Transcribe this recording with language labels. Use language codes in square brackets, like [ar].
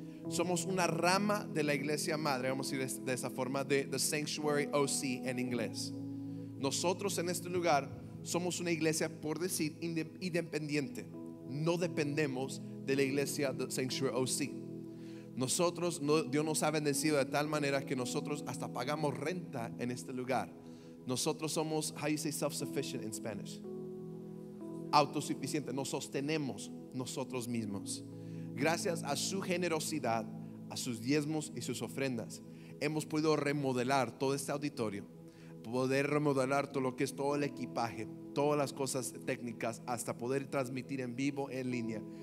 [es] Somos una rama de la iglesia madre, vamos a decir de esa forma, de The Sanctuary OC en inglés. Nosotros en este lugar somos una iglesia, por decir, independiente. No dependemos de la iglesia The Sanctuary OC. Nosotros, Dios nos ha bendecido de tal manera que nosotros hasta pagamos renta en este lugar. Nosotros somos, [en] how you say self-sufficient in Spanish? [es] Autosuficiente, nos sostenemos nosotros mismos. Gracias a su generosidad, a sus diezmos y sus ofrendas, hemos podido remodelar todo este auditorio, poder remodelar todo lo que es todo el equipaje, todas las cosas técnicas, hasta poder transmitir en vivo, en línea.